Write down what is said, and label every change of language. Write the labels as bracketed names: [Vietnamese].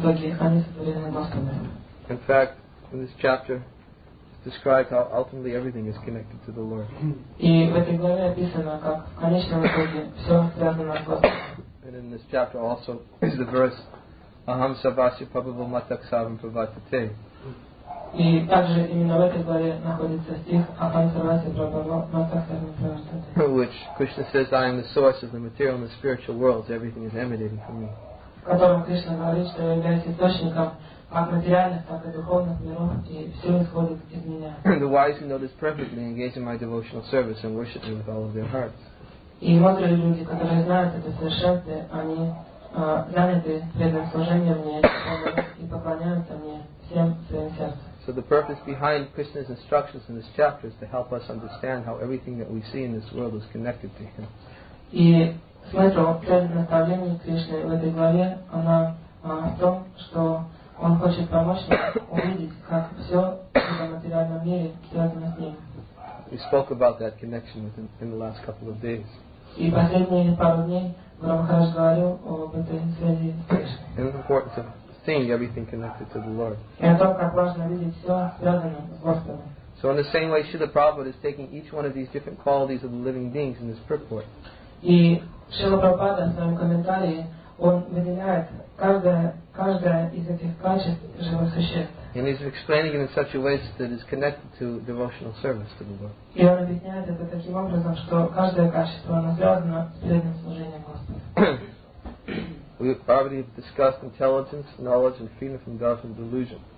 [English] In fact, in this chapter, it describes how ultimately everything is connected to the Lord. And in this chapter also is the verse, Aham Savasya Prabhava Matak Savam Pravatate. [Russian] И также именно в этой главе находится стих «Апансарвасе Прабхава Матахтарна Праваштаде». [English] In which Krishna says, I am the source of the material and the spiritual worlds. Everything is emanating from me. [Russian] В котором Кришна говорит, что я являюсь источником как материальных, так и духовных миров, и все исходит из меня. [English] The wise who know this perfectly engage in my devotional service and worship me with all of their hearts. [Russian] И мудрые люди, которые знают это совершенство, они заняты преданным служением мне и поклоняются мне. [English] So the purpose behind Krishna's instructions in this chapter is to help us understand how everything that we see in this world is connected to Him. [Russian] И смысл наставления Кришны в этой главе, она в том, что Он хочет помочь нам увидеть, как все в материальном мире связано с Ним. [English] We spoke about that connection in the last couple of days. [Russian] И последние пару дней Гуру Махарадж говорил об этой связи с Кришной. [English] And important thing, everything connected to the Lord. [Russian] И о том, как важно видеть все связанное с Господом. [English] So in the same way, Śrīla Prabhupāda is taking each one of these different qualities of the living beings in this purport. [Russian] И Śrīla Prabhupāda в своем комментарии он выделяет каждое из этих качеств живых существ. [English] And he's explaining it in such a way that it's connected to devotional service to the Lord. [Russian] И он объясняет это таким образом, что каждое качество оно связано с преданным служением Господу. [English] We've already discussed intelligence, knowledge, and freedom from government delusion.